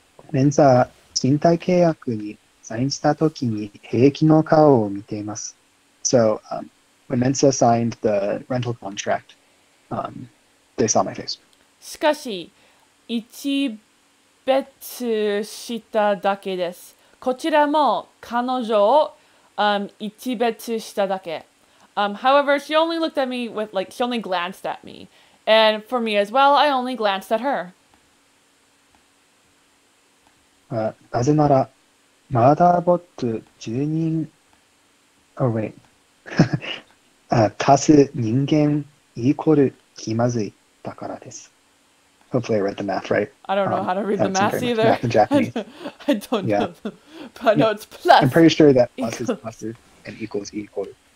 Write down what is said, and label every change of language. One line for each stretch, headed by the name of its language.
Japanese: メンサー賃貸契約にサインしたときに平気の顔を見ています。
English: So, when メンサー signed the rental contract,they saw my face.
Japanese: しかし、一別しただけです。こちらも彼女を、一別しただけ。
English: However, she only looked at me with, like, she only glanced at me. And for me as well, I only glanced at her.
Japanese: なぜなら、マーダーボット住人、足す人間イコール気まずいだからです。
English: Hopefully I read the math right. I don't know how to read the math either. Math in Japanese. I don't know. But no, it's plus. I'm pretty sure that plus is plus and equals equal.